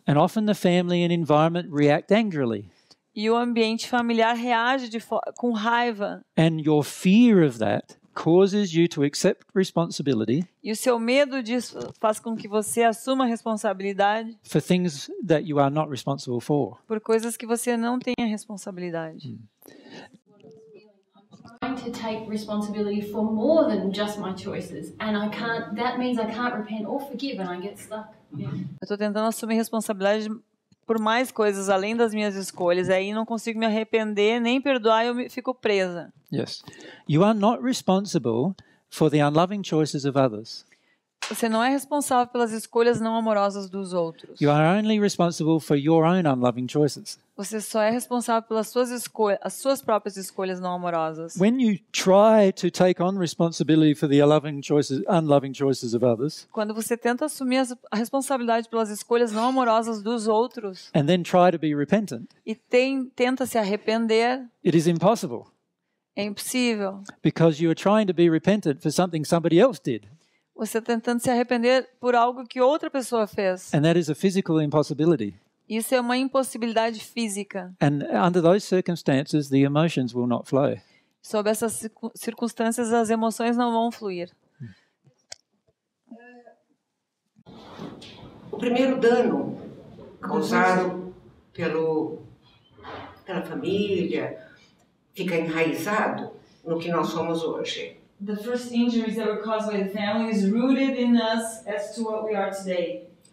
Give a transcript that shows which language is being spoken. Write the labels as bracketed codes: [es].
[en] And often the family and environment react angrily. [pt] E o ambiente familiar reage com raiva. [en] And your fear of that causes you to accept responsibility. [pt] E o seu medo disso faz com que você assuma a responsabilidade [en] for things that you are not responsible for. [pt] Por coisas que você não tem a responsabilidade. [en] I'm trying to take responsibility for more than just my choices and I can't that means I can't repent or forgive and I get stuck. Yeah. [pt] Eu tô tentando assumir responsabilidade por mais coisas além das minhas escolhas, aí não consigo me arrepender nem perdoar, eu fico presa. [en] Yes. You are not responsible for the unloving choices of others. [pt] Você não é responsável pelas escolhas não amorosas dos outros. [en] You are only responsible for your own unloving choices. [pt] Você só é responsável pelas suas escolhas, as suas próprias escolhas não amorosas. [en] When you try to take on responsibility for the unloving choices of others, [pt] quando você tenta assumir a responsabilidade pelas escolhas não amorosas dos outros, [en] and then try to be repentant, [pt] e tenta se arrepender, [en] it is impossible. [pt] É impossível. [en] Because you are trying to be repentant for something somebody else did. [pt] Você está tentando se arrepender por algo que outra pessoa fez. [en] And that is a physical impossibility. [pt] Isso é uma impossibilidade física. [en] And under those circumstances, the emotions will not flow. [pt] Sob essas circunstâncias, as emoções não vão fluir. O primeiro dano causado pela família fica enraizado no que nós somos hoje. [en] The first injuries that were caused by the family is rooted in us as to what we are today.